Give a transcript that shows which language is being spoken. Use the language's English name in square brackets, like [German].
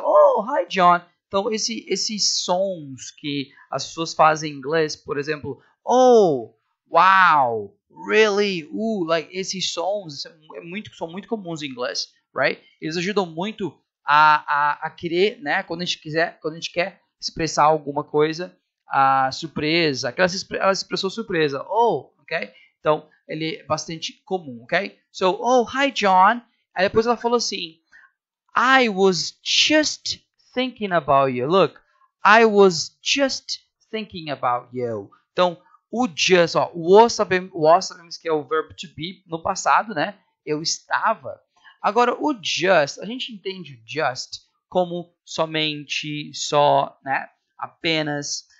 [English] Oh, hi, John. [Portuguese] Então, esses sons que as pessoas fazem em inglês, por exemplo, oh, wow, really, like, esses sons são muito comuns em inglês, right? Eles ajudam muito a querer, né, quando a gente quer expressar alguma coisa, a surpresa, aquela expressão surpresa, oh, ok? Então, ele é bastante comum, ok? So, [English] oh, hi, John. [Portuguese] Aí depois ela falou assim, [English] I was just thinking about you. Look, I was just thinking about you. [Portuguese] Então, o just, ó, o sabemos que é o verbo to be no passado, né? Eu estava. Agora, o just, a gente entende o just como somente, só, né? Apenas.